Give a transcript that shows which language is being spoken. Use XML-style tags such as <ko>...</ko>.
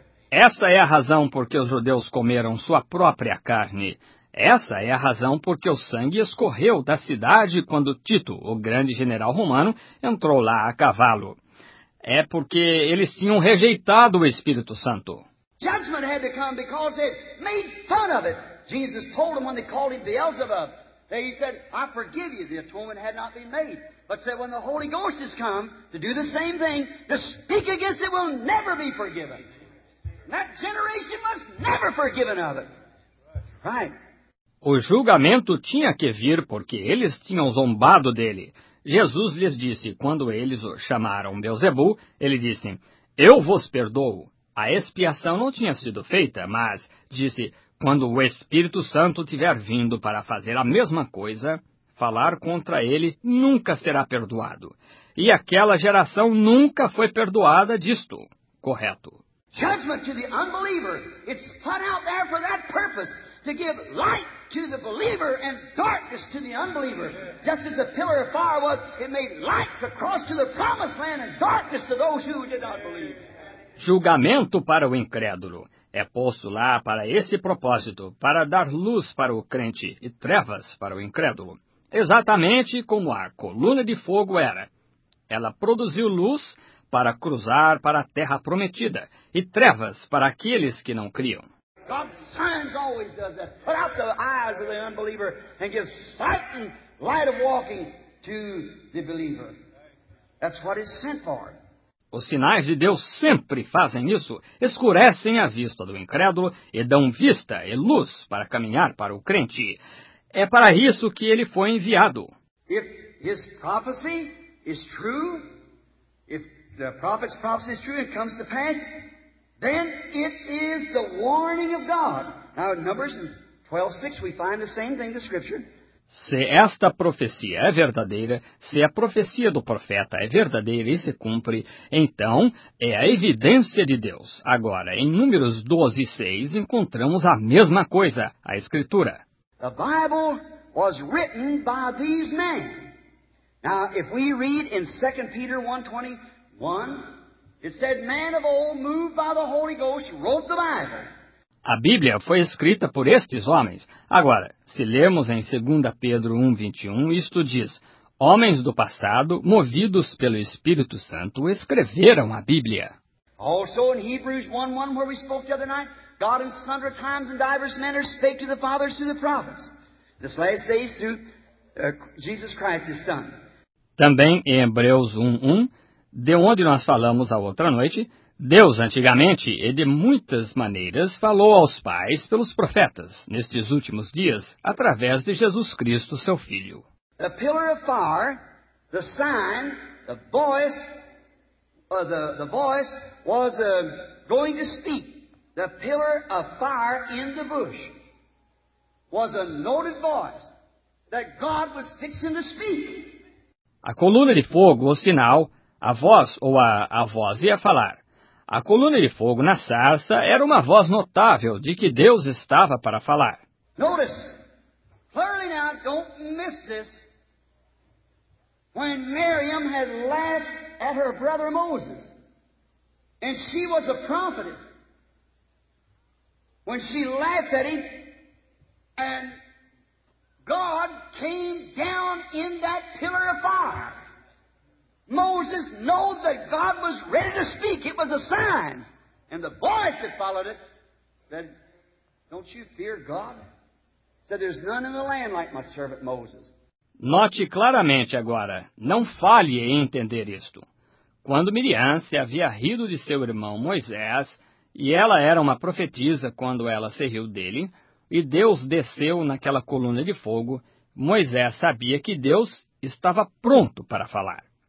<pt>Essa é a razão porque os judeus comeram sua própria carne. Essa é a razão porque o sangue escorreu da cidade quando Tito, o grande general romano, entrou lá a cavalo. É porque eles tinham rejeitado o Espírito Santo.</pt> <en>Judgment had to come because they made fun of it. Jesus told them when they called him Beelzebub. He said, I forgive you. The atonement had not been made. But said, when the Holy Ghost has come to do the same thing, to speak against it will never be forgiven. And that generation must never forgive another. Right?</en> <pt>O julgamento tinha que vir porque eles tinham zombado dele. Jesus lhes disse, quando eles o chamaram Beelzebu, ele disse, eu vos perdoo. A expiação não tinha sido feita, mas disse, quando o Espírito Santo tiver vindo para fazer a mesma coisa, falar contra ele nunca será perdoado. E aquela geração nunca foi perdoada disto. Correto.</pt> <en>Judgment to the unbeliever. It's put out there for that purpose, to give light to the believer and darkness to the unbeliever. Just as the pillar of fire was, it made light to cross to the promised land and darkness to those who did not believe.</en> <pt>Julgamento para o incrédulo. É posto lá para esse propósito, para dar luz para o crente e trevas para o incrédulo. Exatamente como a coluna de fogo era. Ela produziu luz para cruzar para a terra prometida e trevas para aqueles que não criam.</pt> <en>God's signs always does that. Put out the eyes of the unbeliever and give sight and light of walking. to the believer. That's what it's sent for.</en> <pt>Os sinais de Deus sempre fazem isso, escurecem a vista do incrédulo e dão vista e luz para caminhar para o crente. É para isso que ele foi enviado.</pt> <en>If his prophecy is true, if the prophet's prophecy is true and comes to pass, then it is the warning of God. Now, Numbers 12:6, we find the same thing in Scripture.</en> <pt>Se esta profecia é verdadeira, se a profecia do profeta é verdadeira e se cumpre, então é a evidência de Deus. Agora, em Números 12:6, encontramos a mesma coisa, a Escritura.</pt> <en>The Bible was written by these men. Now, if we read in 2 Peter 1:21, it said, "Man of old, moved by the Holy Ghost, wrote the Bible."</en> <pt>A Bíblia foi escrita por estes homens. Agora, se lermos em 2 Pedro 1:21, isto diz: homens do passado, movidos pelo Espírito Santo, escreveram a Bíblia.</pt> <en>Also in Hebrews 1:1, where we spoke the other night, God in sundry times and diverse manners spake to the fathers through the prophets. This last day through Jesus Christ, his son.</en> <pt>Também em Hebreus 1:1, de onde nós falamos a outra noite, Deus, antigamente, e de muitas maneiras, falou aos pais pelos profetas, nestes últimos dias, através de Jesus Cristo, seu Filho.</pt> <en>The pillar of fire, the sign, the voice, the voice was going to speak. The pillar of fire in the bush was a noted voice that God was fixing to speak.</en> <pt>A coluna de fogo, o sinal, a voz ou a voz ia falar. A coluna de fogo na sarça era uma voz notável de que Deus estava para falar.</pt> <en>Notice, clearly now, don't miss this, when Miriam had laughed at her brother Moses, and she was a prophetess, when she laughed at him, and God came down in that pillar of fire. Moses knew that God was ready to speak. It was a sign. And the voice that followed it said, "Don't you fear God?" Said, "There's none in the land like my servant Moses."</en> <pt>Note claramente agora, não falhe em entender isto. Quando Miriam se havia rido de seu irmão Moisés, e ela era uma profetisa quando ela se riu dele, e Deus desceu naquela coluna de fogo, Moisés sabia que Deus estava pronto para falar.</pt>